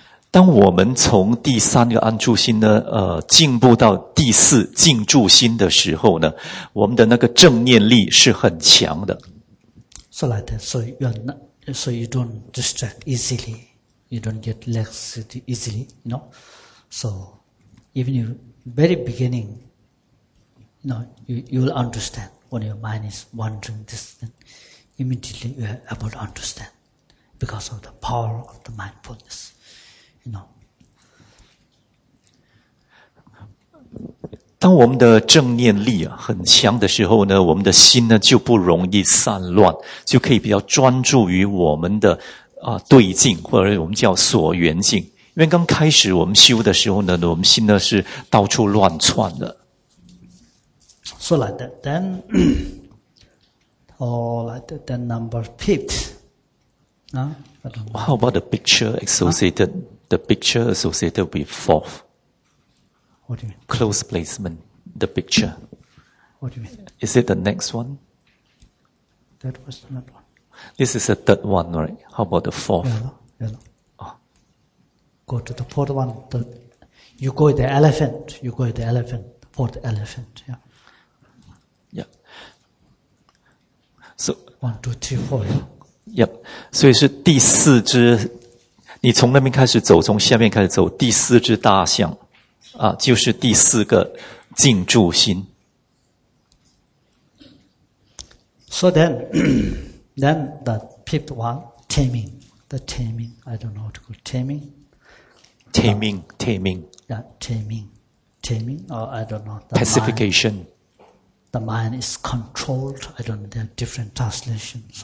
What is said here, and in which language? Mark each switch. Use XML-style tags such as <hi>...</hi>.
<zh>当我们从第三个安住心呢，进步到第四静住心的时候呢，我们的那个正念力是很强的。</zh> <en>So like that, so you're not,So you don't distract easily, you don't get laxity easily, you know. So even you, very beginning, you know, you will understand when your mind is wandering this, then immediately you are able to understand because of the power of the mindfulness, you know.</en> <zh>当我们的正念力很强的时候呢，我们的心呢就不容易散乱，就可以比较专注于我们的对境，或者我们叫所缘境。因为刚开始我们修的时候呢，我们心呢是到处乱窜的。</zh> <en>So like that, then, or like that, then number fifth. How about the picture associated? The picture associated with fourth. What do you mean? Close placement, the picture. What do you mean? Is it the next one? That was the next one. This is the third one, right? How about the fourth? Yellow. Oh. Go to the fourth one. You go with the elephant. You go with the elephant. Fourth elephant, yeah. Yeah. So. One, two, three, four. Yep. So it's the fourth.</en> <zh>You 从那边开始走，从下面开始走，第四只大象。啊，就是第四个静住心。</zh> <en>So then, then the fifth one, taming, the taming, I don't know what to call taming. Taming, taming. Yeah, taming, taming, or I don't know. Pacification. The mind is controlled. I don't know. There are different translations.</en>